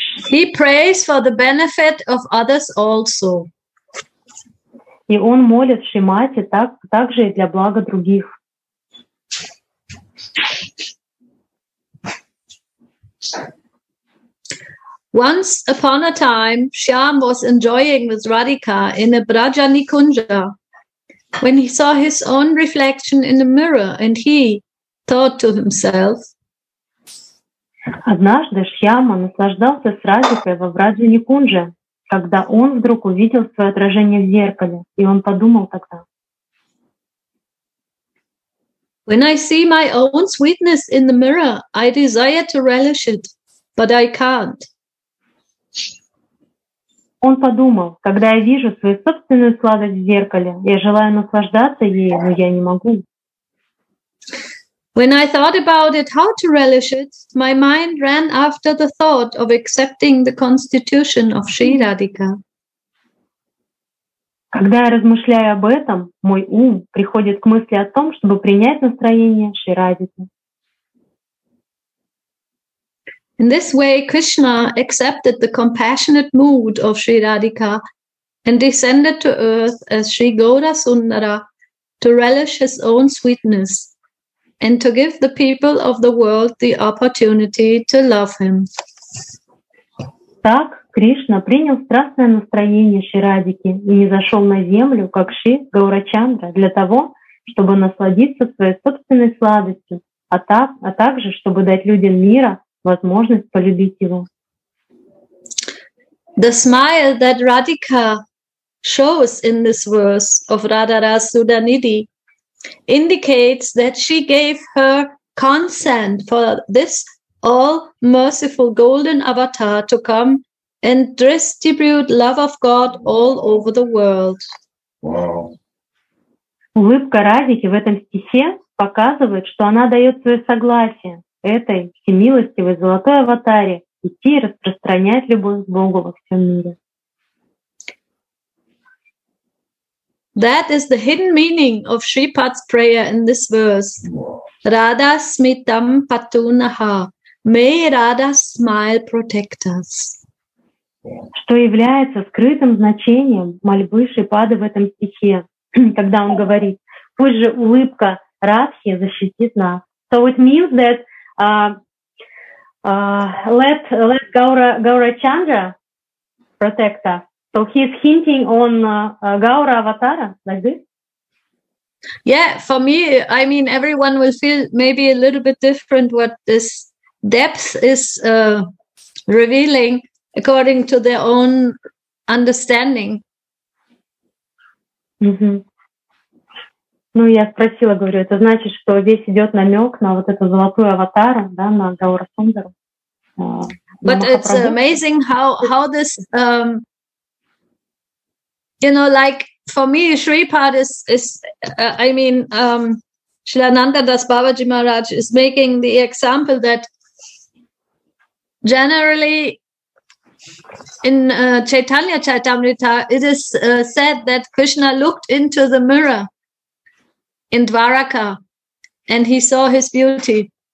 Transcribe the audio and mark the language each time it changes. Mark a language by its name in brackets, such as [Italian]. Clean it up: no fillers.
[English] He prays for the benefit of others also. [Russian] И он молит Шримати также и для блага других. [English] Once upon a time, Shyam was enjoying with Radhika in a Braja Nikunja when he saw his own reflection in the mirror and he thought to himself. [Russian] Однажды Шьяма наслаждался с Радикой во Враджа Никунджа, когда он вдруг увидел свое отражение в зеркале, и он подумал тогда. [English] When I see my own sweetness in the mirror, I desire to relish it, but I can't. [Russian] Он подумал, когда я вижу свою собственную сладость в зеркале, я желаю наслаждаться ею, но я не могу. [English] When I thought about it, how to relish it, my mind ran after the thought of accepting the constitution of Sri Radhika. [Russian] Когда я размышляю об этом, мой ум приходит к мысли о том, чтобы принять настроение Шри Радхики. [English] In this way, Krishna accepted the compassionate mood of Sri Radhika and descended to earth as Sri Gaura Sundara to relish his own sweetness and to give the people of the world the opportunity to love him. [Russian] Так Кришна принял страстное настроение Шри Радхики и не зашел на землю, как Шри Гаурачандра, для того, чтобы насладиться своей собственной сладостью, а также, чтобы дать людям мира возможность полюбить его. [English] The smile that Radhika shows in this verse of Radharasudanidhi indicates that she gave her consent for this all-merciful golden avatar to come and distribute love of God all over the world. Wow. [Russian] Улыбка Радики в этом стихе показывает, что она дает свое согласие этой всемилостивой золотой аватаре идти и распространять любовь к Богу во всем мире. [English] That is the hidden meaning of Shripad's prayer in this verse. [Sanskrit] Radha smitam patunaha. [English] May Radha smile protect us. [Russian] Что является скрытым значением мольбы Шрипады в этом стихе, когда он говорит, пусть же улыбка Радхи защитит нас. [English] So it means that let Gaurachandra protect us. So he's hinting on Gaura Avatara, like this? Yeah, for me, I mean, everyone will feel maybe a little bit different what this depth is revealing according to their own understanding. Mm-hmm. [Russian] Ну, я спросила, говорю, это значит, что здесь идет намек на вот эту золотую аватару, да, на Гаура Сундару. [English] But it's amazing how this, you know, like for me, Shripad is I mean, Shilananda Das Babaji Maharaj is making the example that generally in Chaitanya Charitamrita, it is said that Krishna looked into the mirror in Dwaraka and he saw his beauty.